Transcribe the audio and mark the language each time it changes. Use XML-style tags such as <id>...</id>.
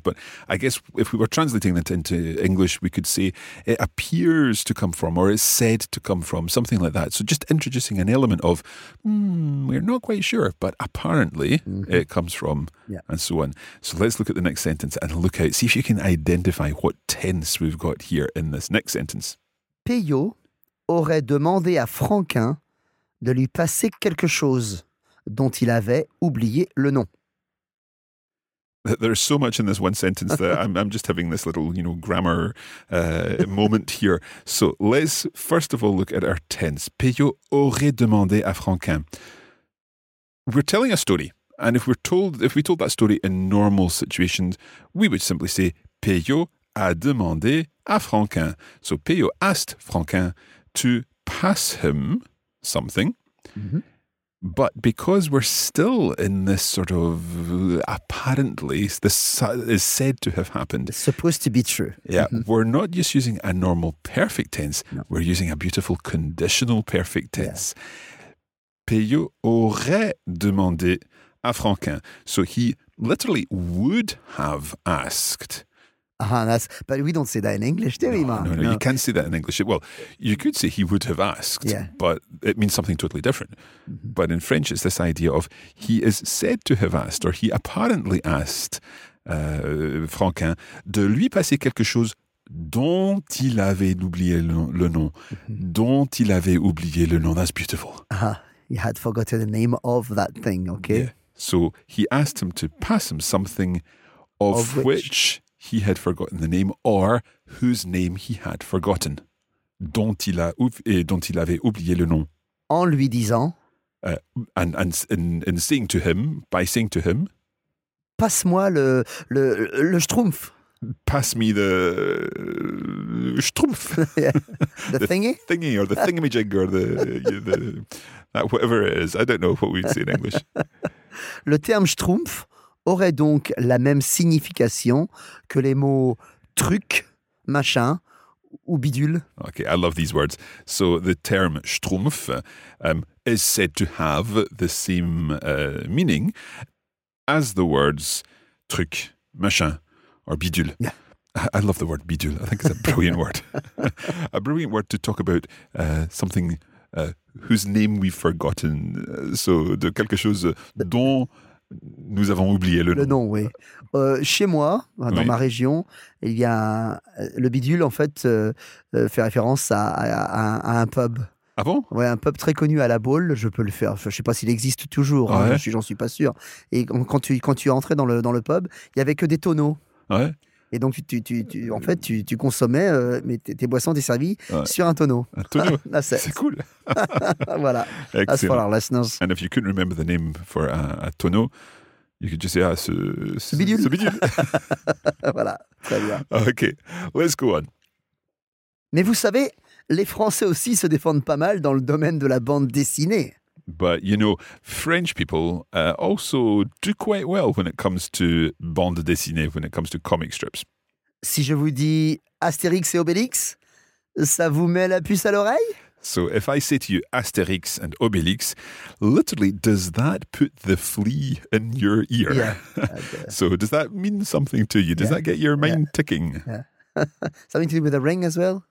<en>But I guess if we were translating that into English, we could say it appears to come from or is said to come from, something like that. So just introducing an element of, we're not quite sure, but apparently it comes from and so on. So let's look at the next sentence and look out, see if you can identify what tense we've got here in this next sentence.</en> <fr>Peyot aurait demandé à Franquin de lui passer quelque chose dont il avait oublié le nom.</fr> <en>There's so much in this one sentence that I'm just having this little, you know, grammar moment here. So let's first of all look at our tense.</en> <fr>Peyot aurait demandé à Franquin.</fr> <en>We're telling a story, and if we told that story in normal situations, we would simply say</en> <fr>Peyot a demandé à Franquin.</fr> <en>So Peyot asked Franquin to pass him something. Mm-hmm. But because we're still in this sort of, apparently, this is said to have happened. It's supposed to be true. Yeah, we're not just using a normal perfect tense. No. We're using a beautiful conditional perfect tense.</en> <fr>Peyot aurait demandé à Franquin.</fr> <en>So he literally would have asked. That's, but we don't say that in English, do we, Mark? No, you can't say that in English. Well, you could say he would have asked, but it means something totally different. Mm-hmm. But in French, it's this idea of he is said to have asked, or he apparently asked Franquin</en> <fr>de lui passer quelque chose dont il avait oublié le nom. Dont il avait oublié le nom.</fr> <en>That's beautiful. He had forgotten the name of that thing, okay? Yeah. So he asked him to pass him something of which he had forgotten the name, or whose name he had forgotten.</en> <fr>Dont il avait oublié le nom. En lui disant.</fr> <en>And saying to him, by saying to him.</en> <fr>Passe-moi le schtroumpf.</fr> <en>Pass me the schtroumpf. the thingy or the thingamajig or the whatever it is. I don't know what we'd say in English.</en> <fr>Le terme schtroumpf aurait donc la même signification que les mots truc, machin ou bidule.</fr> <en>Okay, I love these words. So the term schtroumpf is said to have the same meaning as the words truc, machin or bidule. Yeah. I love the word bidule. I think it's a brilliant word. A brilliant word to talk about something whose name we've forgotten.</en> <fr>So de quelque chose dont nous avons oublié le nom. Le nom, oui. Chez moi, dans ma région, il y a le bidule, en fait, fait référence à un pub. Ah bon? Oui, un pub très connu à La Baule, je peux le faire. Enfin, je ne sais pas s'il existe toujours, j'en suis pas sûr. Et quand tu entrais dans le pub, il n'y avait que des tonneaux. Ouais. Et donc, tu consommais tes boissons desservies sur un tonneau. Un tonneau. C'est cool. Voilà. Excellent.</fr> <en>That's for our listeners. And if you couldn't remember the name for a tonneau, you could just say,</en> <fr>ce bidule. Ce bidule. Voilà. Très bien.</fr> <en>OK. Let's go on.</en> <fr>Mais vous savez, les Français aussi se défendent pas mal dans le domaine de la bande dessinée.</fr> <en>But, you know, French people also do quite well when it comes to bande dessinée, when it comes to comic strips.</en> <fr>Si je vous dis Astérix et Obélix, ça vous met la puce à l'oreille?</fr> <en>So if I say to you Asterix and Obélix, literally, does that put the flea in your ear? Yeah. So does that mean something to you? Does that get your mind ticking? Yeah. Something to do with a ring as well?</en>